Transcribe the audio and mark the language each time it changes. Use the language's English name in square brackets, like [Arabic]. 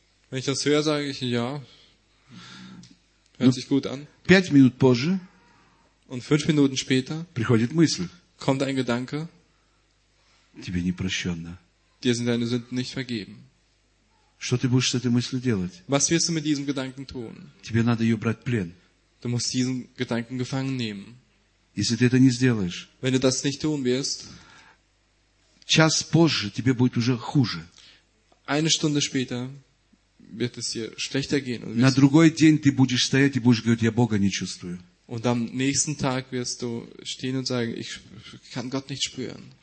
[German] Wenn ich das höre, sage ich, ja. Hört sich gut an. [Russian] Пять минут позже. [German] Und fünf Minuten später. [Russian] Приходит мысль. [German] Kommt ein Gedanke. [Russian] Тебе не прощено. [German] Dir sind deine Sünden nicht vergeben. [Russian] Что ты будешь с этой мыслью делать? [German] Was wirst du mit diesem Gedanken tun? [Russian] Тебе надо ее брать в плен. [German] Du musst diesen Gedanken gefangen nehmen. [Russian] Если ты это не сделаешь. [German] Wenn du das nicht tun wirst. [Russian] Час позже тебе будет уже хуже. [German] Eine Stunde später wird es dir schlechter gehen. [Russian] На другой день ты будешь стоять и будешь говорить, я Бога не чувствую. [German] Und am nächsten Tag wirst du stehen und sagen, ich kann Gott nicht spüren.